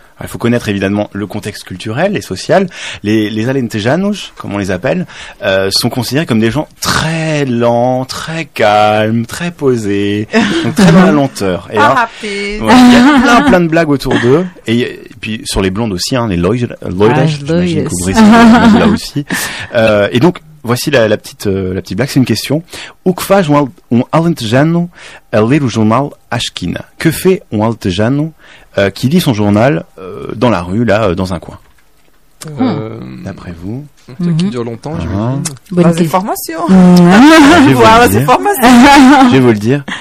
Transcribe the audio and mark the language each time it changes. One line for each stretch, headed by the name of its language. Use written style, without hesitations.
French: Il faut connaître évidemment le contexte culturel et social. Les Alentejanos, comme on les appelle, sont considérés comme des gens très lents, très calmes, très posés, donc très dans la lenteur. Et là, il y a plein de blagues autour d'eux. Et puis sur les blondes aussi, hein, les loiras, j'imagine que vous risquez là aussi. Et donc, voici la petite blague, c'est une question.
Portuguese: O que faz um Alentejano a ler o jornal à esquina?
French: Que fait um Alentejano qui lit son journal dans la rue, là, dans un coin? D'après vous. Un truc qui dure longtemps, j'imagine. Bonne information. Voilà, c'est formation. Je vais vous le dire.